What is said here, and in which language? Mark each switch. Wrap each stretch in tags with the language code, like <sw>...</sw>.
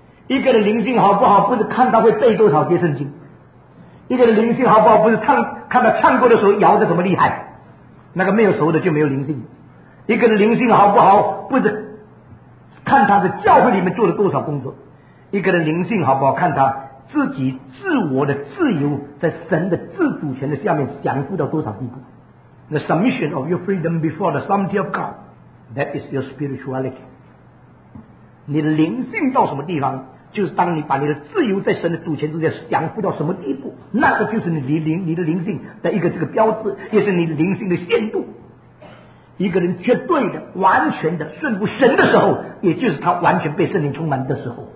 <zh>一个人灵性好不好，不是看他会背多少节圣经，一个人灵性好不好，不是看他唱歌的时候摇得怎么厉害，那个没有熟的就没有灵性。一个人灵性好不好，不是看他在教会里面做了多少工作，一个人灵性好不好，看他自己自我的自由在神的自主权的下面享受到多少地步。</zh> <en>The submission of your freedom before the sovereignty of God, that is your spirituality.</en> <zh>你的灵性到什么地方，就是当你把你的自由在神的主权之下享受到什么地步，那个就是你的灵性的一个这个标志，也是你的灵性的限度。一个人绝对的完全的顺服神的时候，也就是他完全被圣灵充满的时候。</zh>